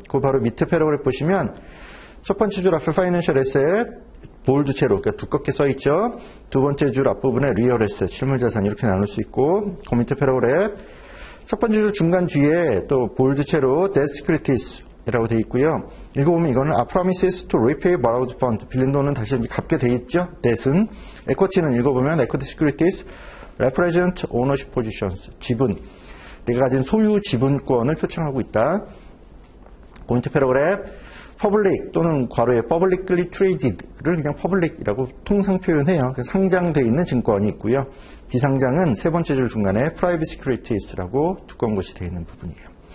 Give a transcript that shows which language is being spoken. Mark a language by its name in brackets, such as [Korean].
[Korean] 그 바로 밑에 패러그래프 보시면 첫 번째 줄 앞에 파이낸셜 에셋, 볼드 채로, 그러니까 두껍게 써있죠? 두 번째 줄 앞부분에 리얼 에셋, 실물 자산 이렇게 나눌 수 있고, 그 밑에 패러그래프 첫 번째 줄 중간 뒤에 또 볼드 채로 [English] Debt Securities [Korean] 이라고 되어 있고요. 읽어보면 이거는 [English] A promises to repay borrowed fund. [Korean] 빌린 돈은 다시 갚게 되어 있죠? Debt은. [English] Equity는 [Korean] 읽어보면 [English] Equity Securities. Represent ownership positions. [Korean] 지분. 내가 가진 소유 지분권을 표창하고 있다. 고인트 패러그래프. Public 또는 괄호에 [English] publicly traded [Korean] 를 그냥 public이라고 통상 표현해요. 상장되어 있는 증권이 있고요. 비상장은 세 번째 줄 중간에 [English] private securities [Korean] 라고 두꺼운 것이 되어 있는 부분이에요.